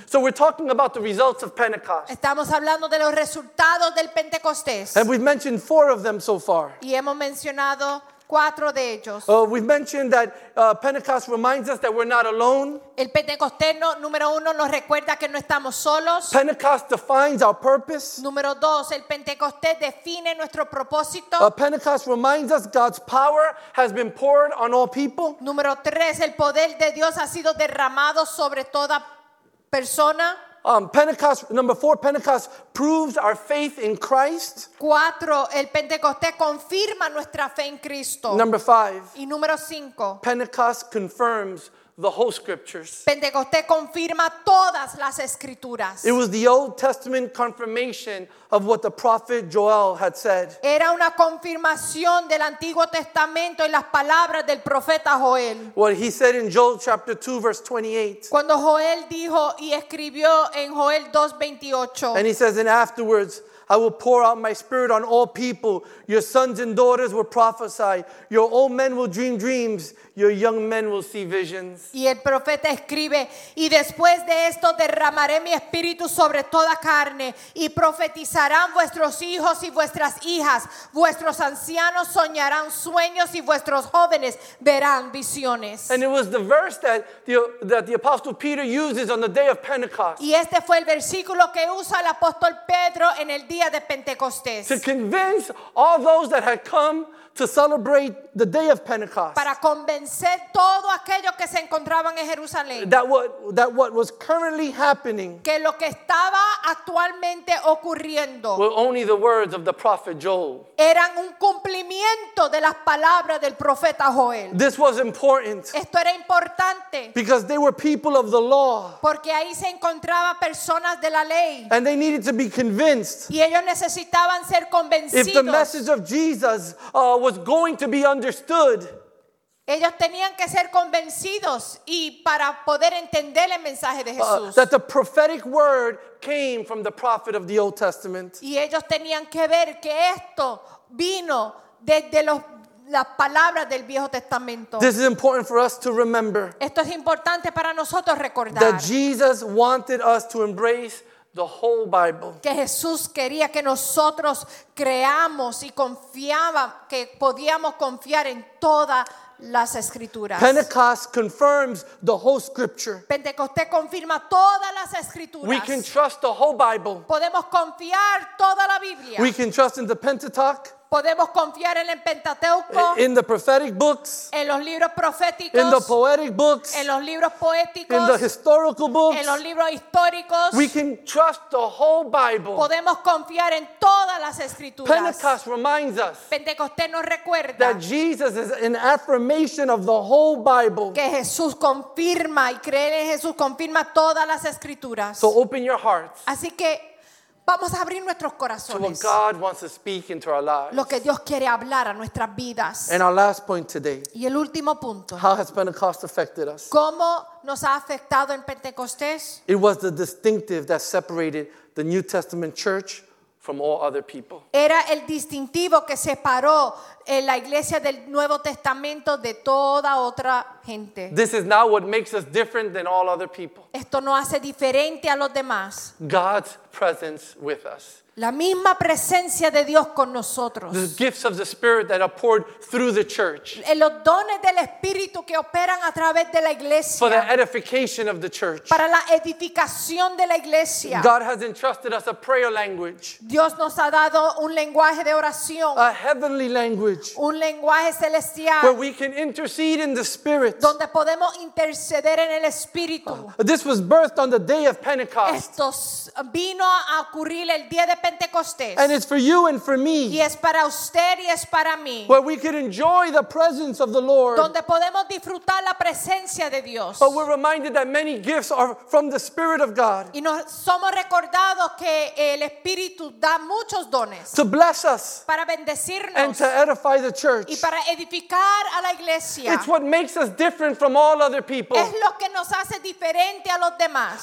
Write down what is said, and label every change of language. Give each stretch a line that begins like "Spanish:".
English: So we're talking about the results of Pentecost.
Spanish: Estamos hablando de los resultados del Pentecostés.
English: And we've mentioned four of them so far.
Spanish: Y hemos mencionado cuatro de ellos.
English: We've mentioned that Pentecost reminds us that we're not alone.
Spanish: El Pentecostés número uno nos recuerda que no estamos solos.
English: Pentecost defines our purpose.
Spanish: Número dos, el Pentecostés define nuestro propósito.
English: Pentecost reminds us God's power has been poured on all people.
Spanish: Número tres, el poder de Dios ha sido derramado sobre toda persona.
English: Pentecost, number four, Pentecost proves our faith in Christ.
Spanish: Cuatro, el Pentecostés confirma nuestra fe en Cristo.
English: Number five.
Spanish: Y número cinco.
English: Pentecost confirms the whole scriptures.
Spanish: Pentecostés confirma todas las escrituras.
English: It was the Old Testament confirmation of what the prophet Joel had said.
Spanish: Era una confirmación del Antiguo Testamento y las palabras del profeta Joel.
English: What he said in Joel chapter 2 verse 28.
Spanish: Cuando Joel dijo y escribió en Joel 2:28.
English: And he says, and afterwards I will pour out my spirit on all people. Your sons and daughters will prophesy. Your old men will dream dreams. Your young men will see visions.
Spanish: Y el profeta escribe, y después de esto derramaré mi espíritu sobre toda carne, y profetizarán vuestros hijos y vuestras hijas. Vuestros ancianos soñarán sueños y vuestros jóvenes verán visiones.
English: And it was the verse that the apostle Peter uses on the day of Pentecost.
Spanish: Y este fue el versículo que usa el apóstol Pedro en el día de Pentecostés.
English: To convince all those that had come to celebrate the day of Pentecost.
Spanish: Para convencer todo aquello que se encontraban en Jerusalén.
English: That what was currently happening.
Spanish: Que lo que estaba actualmente ocurriendo.
English: Were only the words of the prophet Joel.
Spanish: Eran un cumplimiento de las palabras del profeta Joel.
English: This was important.
Spanish: Esto era importante.
English: Because they were people of the law.
Spanish: Porque ahí se encontraba personas de la ley.
English: And they needed to be convinced.
Spanish: Y ellos necesitaban ser convencidos.
English: If the message of Jesus was going to be understood.
Spanish: Ellos tenían que ser convencidos y para poder entender el mensaje de Jesús.
English: That the prophetic word came from the prophet of the Old Testament.
Spanish: Y ellos tenían que ver que esto vino desde las palabras del Viejo Testamento.
English: This is important for us to remember.
Spanish: Esto es importante para nosotros recordar.
English: That Jesus wanted us to embrace the whole Bible.
Spanish: Que Jesús quería que nosotros creamos y confiaba que podíamos confiar en toda las escrituras.
English: Pentecost confirms the whole scripture.
Spanish: Pentecostés confirma todas las escrituras.
English: We can trust the whole Bible.
Spanish: Podemos confiar toda la Biblia.
English: We can trust in the Pentateuch.
Spanish: Podemos confiar en el Pentateuco.
English: In the prophetic books.
Spanish: En los libros proféticos.
English: In the poetic books.
Spanish: En los libros poéticos.
English: In the historical books.
Spanish: En los libros históricos.
English: We can trust the whole Bible.
Spanish: Podemos confiar en todas las escrituras.
English: Pentecost reminds us.
Spanish: Pentecostés nos recuerda.
English: That Jesus is an affirmation of the whole Bible.
Spanish: Que Jesús confirma y creer en Jesús confirma todas las escrituras.
English: So open your hearts.
Spanish: Así que vamos a abrir nuestros corazones.
English: To what God wants to speak into our lives.
Spanish: Lo que Dios quiere hablar a nuestras vidas.
English: And our last point today.
Spanish: Y el último punto.
English: How has Pentecost affected us?
Spanish: ¿Cómo nos ha afectado en Pentecostés?
English: It was the distinctive that separated the New Testament church from all other people.
Spanish: Era el distintivo que separó en la iglesia del Nuevo Testamento de toda otra gente.
English: This is now what makes us different than all other people.
Spanish: Esto nos hace diferente a los demás.
English: God's presence with us.
Spanish: La misma presencia de Dios con nosotros.
English: The gifts of the Spirit that are poured through the church.
Spanish: Los dones del Espíritu que operan a través de la iglesia.
English: For the edification of the church.
Spanish: Para la edificación de la iglesia.
English: God has entrusted us a prayer language.
Spanish: Dios nos ha dado un lenguaje de oración.
English: A heavenly language.
Spanish: Un lenguaje celestial.
English: Where we can intercede in the Spirit.
Spanish: Donde podemos interceder en el Espíritu.
English: This was birthed on the day of Pentecost.
Spanish: Esto vino a ocurrir el día de Pentecostés.
English: And it's for you and for me.
Spanish: Y es para usted y es para mí.
English: Where we can enjoy the presence of the Lord.
Spanish: Donde podemos disfrutar la presencia de Dios.
English: But we're reminded that many gifts are from the Spirit of God.
Spanish: Y nos somos recordados que el Espíritu da muchos dones.
English: To bless us.
Spanish: Para bendecirnos.
English: And to edify the church.
Spanish: Y para edificar a la iglesia.
English: It's what makes us different from all other people.
Spanish: Es lo que nos hace diferente a los demás.